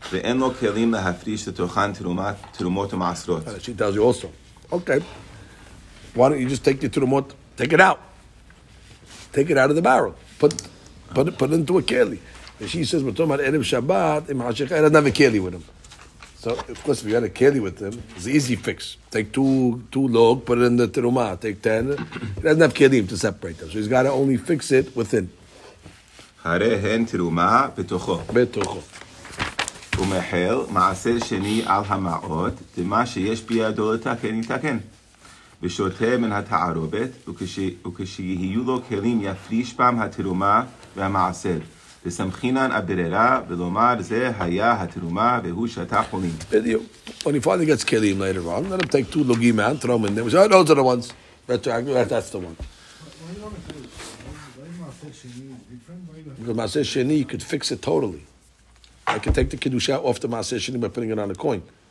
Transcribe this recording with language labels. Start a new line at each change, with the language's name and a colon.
Hebrew: ואין לו כלים להפריש לתוכן תרומות ומעשרות.
English: She tells you also. Okay. Why don't you just take your תרומות, take it out. Take it out of the barrel. Put it into a keli. And she says, we're talking about
Hebrew: ערב שבת, עם חשיכה, אין לנו קלי
English: with him. So, of course, if you had a keli with him, it's an easy fix. Take two log, put it in the תרומה, take 10. He doesn't have kelim to separate them. So he's got to only fix it within.
Hebrew: הרי הן תרומה בתוכו. בתוכו. ומחל מעשר שני על המעות, דמה שיש בידו לתקן, יתקן. ושותה מן התערובת, וכשיהיו לו כלים יפריש פעם התרומה והמעשר. וסמכינן הבררה, ולומר זה היה התרומה והוא שתה חולים. בדיוק.
English: When he finally gets כלים later on, let him take two logim out, throw them in there. We say, oh, those are the ones. That's the one. Because מעשר שני, you could fix it totally. I can take the kiddushah off the Maaser Sheni by putting it on a coin.